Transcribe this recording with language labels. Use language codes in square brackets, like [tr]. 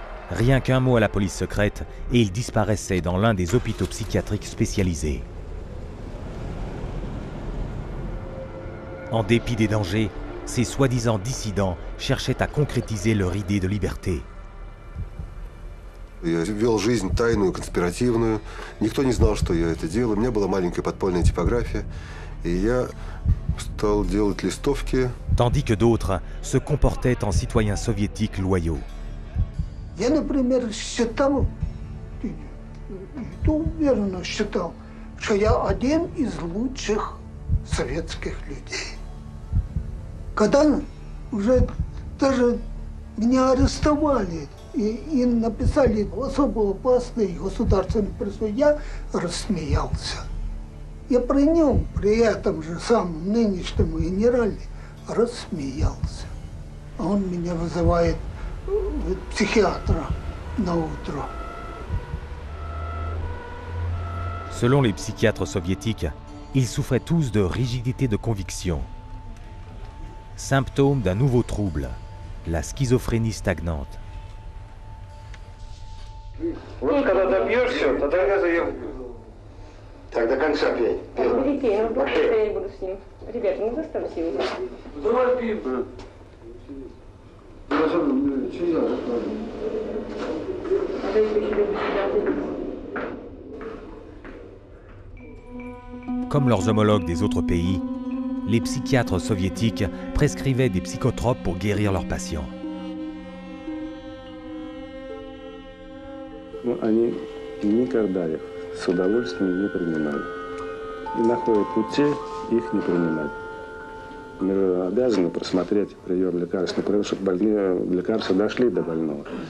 [fr] Rien qu'un mot à la police secrète et ils disparaissaient dans l'un des hôpitaux psychiatriques spécialisés. En dépit des dangers, ces soi-disant dissidents cherchaient à concrétiser leur idée de liberté. [ru] Я вел жизнь тайную, конспиративную. Никто не знал, что я это делаю. У меня была маленькая подпольная типография. И я стал делать листовки. [fr] Tandis que d'autres se comportaient en citoyens soviétiques loyaux. [ru] Я, например, считал, уверенно считал, что я один из лучших советских людей. Когда уже даже меня арестовали, и написали особо опасный государственный преступник, я рассмеялся. Я при нем, при этом же самом нынешнем генерале, рассмеялся. А он меня вызывает психиатра на утро. [fr] Selon les psychiatres soviétiques, ils souffraient tous de rigidité de conviction. Symptôme d'un nouveau trouble, la schizophrénie stagnante. [ru] Вот когда допьешь все, тогда я заем. Так, до конца пей. Берите, я буду с ним. Ребята, ну заставьте его. Давай пьем. [fr] Comme leurs homologues des autres pays, les psychiatres soviétiques prescrivaient des psychotropes pour guérir leurs patients. [ru] Они никогда их с удовольствием не принимали. И находят пути их не принимать. Мы обязаны просмотреть прием лекарств, чтобы больные лекарства дошли до больного.